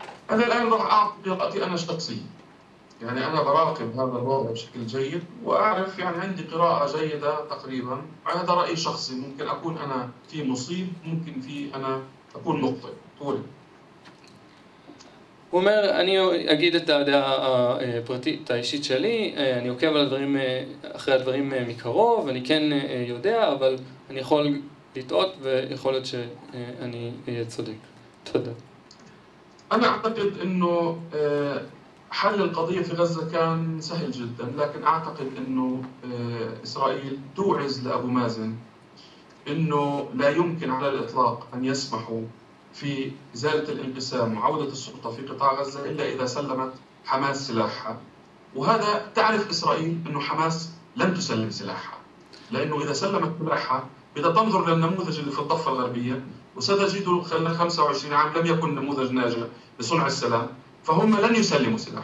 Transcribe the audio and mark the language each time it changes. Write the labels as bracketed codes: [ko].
[ar] أنا الآن راح أعطي رأيي أنا شخصي يعني أنا براقب هذا الوضع بشكل جيد وأعرف يعني عندي قراءة جيدة تقريبا وهذا رأي شخصي ممكن أكون أنا في مصيب ممكن في أنا أكون مخطئ طولي [he] הוא אומר, אני אגיד את הדעה הפרטית האישית שלי, אני עוקב על הדברים, אחרי הדברים מקרוב, אני כן יודע, אבל אני יכול לטעות ויכול להיות שאני אהיה צודק. תודה. [ar] אני אעתקד אנו حل القضية في غزة كان سهل جدا لكن أعتقد أنه إسرائيل توعز لأبو مازن أنه لا يمكن على الإطلاق أن يسمحوا في إزالة الانقسام وعودة السلطة في قطاع غزة إلا إذا سلمت حماس سلاحها وهذا تعرف إسرائيل أنه حماس لن تسلم سلاحها لأنه إذا سلمت سلاحها بدأ تنظر للنموذج اللي في الضفة الغربية وستجده خلال 25 عام لم يكن نموذج ناجح لصنع السلام فهم لن يسلموا